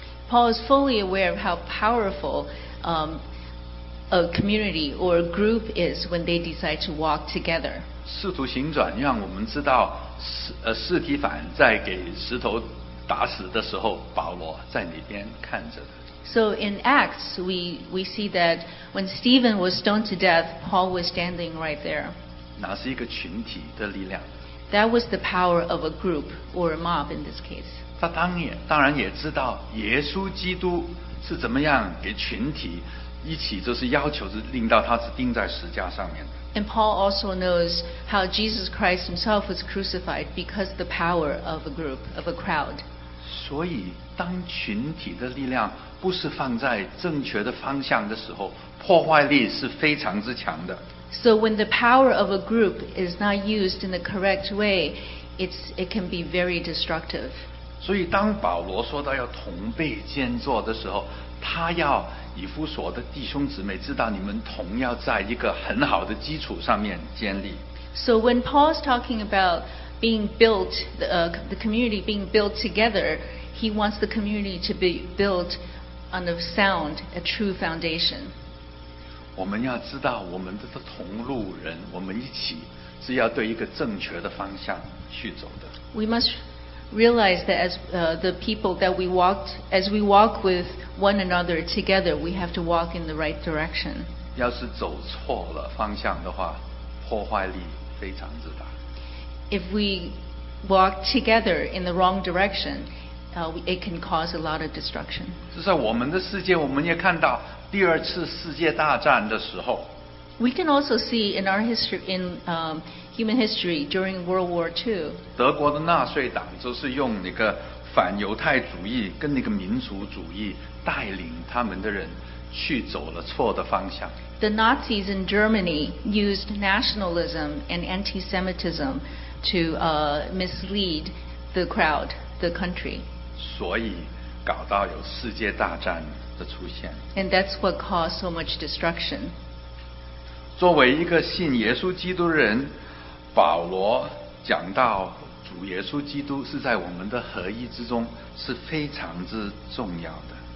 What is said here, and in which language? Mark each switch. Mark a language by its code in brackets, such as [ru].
[en] Paul is fully aware of how powerful a community or a group is when they decide to walk together. [zh] 使徒行传让我们知道。斯提凡在给石头打死的时候，保罗在那边看着的。 [en] So in Acts, we see that when Stephen was stoned to death, Paul was standing right there. [zh] 那是一个群体的力量。 [en] That was the power of a group or a mob in this case. [zh] 他当然也知道耶稣基督是怎么样给群体一起，就是要求是令到他是钉在十字架上面的。 [en] And Paul also knows how Jesus Christ himself was crucified because of the power of a group, of a crowd. [zh] 所以当群体的力量不是放在正确的方向的时候，破坏力是非常之强的。 [en] So when the power of a group is not used in the correct way, it can be very destructive. [zh] 所以当保罗说到要同被建造的时候，他要以弗所的弟兄姊妹知道你们同要在一个很好的基础上面建立。 [en] So when Paul is talking about being built, the community being built together, he wants the community to be built on a sound, a true foundation. [zh] 我们要知道我们的同路人，我们一起是要对一个正确的方向去走的。 [en] We must realize that as the people that we walked, as we walk with one another together, we have to walk in the right direction. [zh] 要是走错了方向的话，破坏力非常之大。 [en] If we walk together in the wrong direction, it can cause a lot of destruction. [zh] 就在我们的世界，我们也看到第二次世界大战的时候。 [en] We can also see in our history, in human history during World War II. [zh] 德国的纳粹党就是用那个反犹太主义跟那个民族主义带领他们的人去走了错的方向。 [en] The Nazis in Germany used nationalism and anti-Semitism to mislead the crowd, the country. [zh] 所以搞到有世界大战的出现。 [en] And that's what caused so much destruction. [zh] 作为一个信耶稣基督的人，保罗讲到主耶稣基督是在我们的合一之中是非常之重要的。